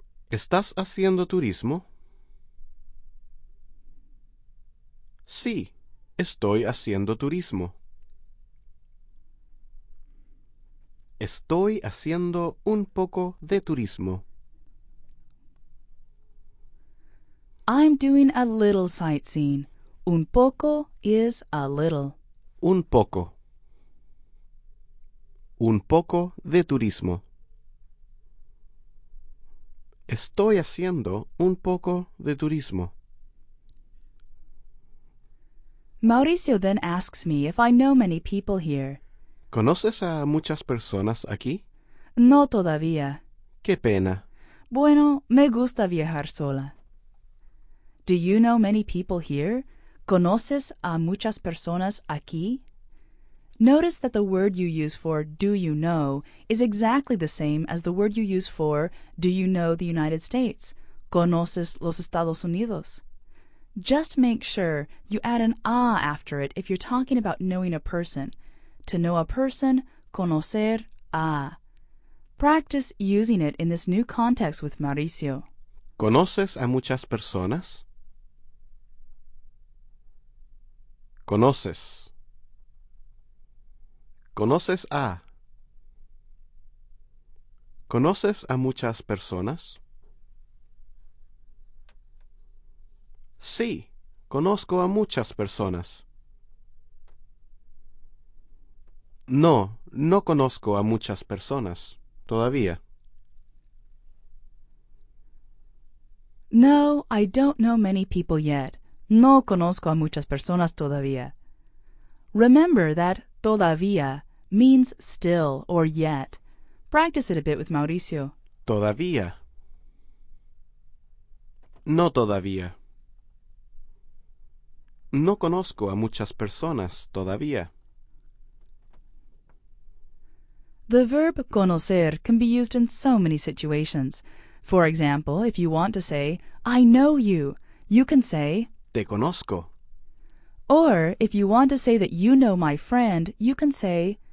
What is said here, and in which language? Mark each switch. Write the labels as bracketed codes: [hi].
[es] ¿Estás haciendo turismo? Sí, estoy haciendo turismo. Estoy haciendo un poco de turismo. [en] I'm doing a little sightseeing. Un poco is a little. [es] Un poco. Un poco de turismo. Estoy haciendo un poco de turismo. [en] Mauricio then asks me if I know many people here. [es] ¿Conoces a muchas personas aquí? No todavía. Qué pena. Bueno, me gusta viajar sola. [en] Do you know many people here? [es] ¿Conoces a muchas personas aquí? [en] Notice that the word you use for do you know is exactly the same as the word you use for do you know the United States? [es] ¿Conoces los Estados Unidos? [en] Just make sure you add an ah after it if you're talking about knowing a person. To know a person, conocer a. Practice using it in this new context with Mauricio. [es] ¿Conoces a muchas personas? ¿Conoces? ¿Conoces a? ¿Conoces a muchas personas? Sí, conozco a muchas personas. No, no conozco a muchas personas todavía. [en] No, I don't know many people yet. [es] No conozco a muchas personas todavía. [en] Remember that todavía means still or yet. Practice it a bit with Mauricio. [es] Todavía. No todavía. No conozco a muchas personas todavía. [en] The verb conocer can be used in so many situations. For example, if you want to say, I know you, you can say, [es] te conozco. [en] Or, if you want to say that you know my friend, you can say,